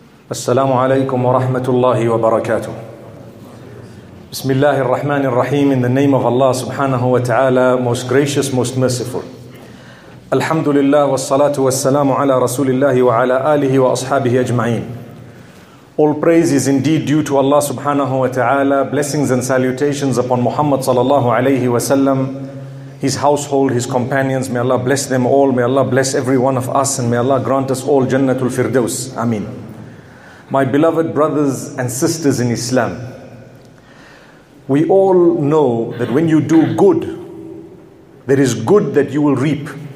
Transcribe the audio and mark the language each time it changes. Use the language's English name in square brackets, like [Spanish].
[Arabic] السلام عليكم ورحمة الله وبركاته. بسم الله الرحمن الرحيم. [English] In the name of Allah [Arabic] سبحانه وتعالى, [English] most gracious, most merciful. [Arabic] الحمد لله والصلاة والسلام على رسول الله وعلى آله وأصحابه أجمعين. [English] All praise is indeed due to Allah [Arabic] سبحانه وتعالى. [English] Blessings and salutations upon Muhammad [Arabic] صلى الله عليه وسلم, [English] his household, his companions. May Allah bless them all. May Allah bless every one of us, and may Allah grant us all Jannatul Firdaus. Amin. My beloved brothers and sisters in Islam, we all know that when you do good, there is good that you will reap.